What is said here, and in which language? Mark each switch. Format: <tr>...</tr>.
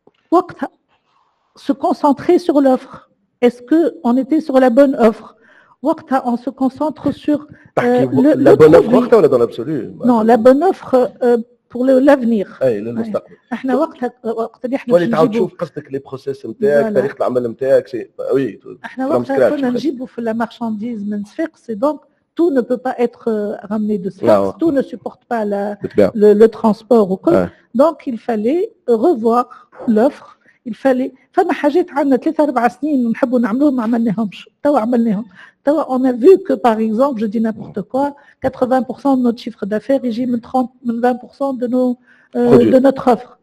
<fr>وقتها se concentrer sur l'offre. Est-ce qu'on était sur la bonne offre? وقتها on se concentre sur la bonne offre</fr> <ar>وقتها ولا</ar> <fr>dans l'absolu? Non, la bonne offre pour l'avenir.</fr> <ar>اي للمستقبل. احنا وقتها وقت اللي احنا تولي تعاود تشوف قصدك لي بروسيس نتاعك تاريخ العمل نتاعك وي احنا وقتها كنا نجيبوا في la marchandise من صفيق</ar> <fr>سي دونك tout ne peut pas être ramené de Sfax, tout ne supporte pas le transport ou quoi. Donc il fallait revoir l'offre, il fallait</fr> <ar>فما حاجات عندنا 3 4 سنين نحبوا نعملوهم ما عملناهمش توا عملناهم توا.</ar> <fr>On a vu que par exemple je dis n'importe quoi 80% de notre chiffre d'affaires il vient de 30 20% de nos de notre offre.</fr>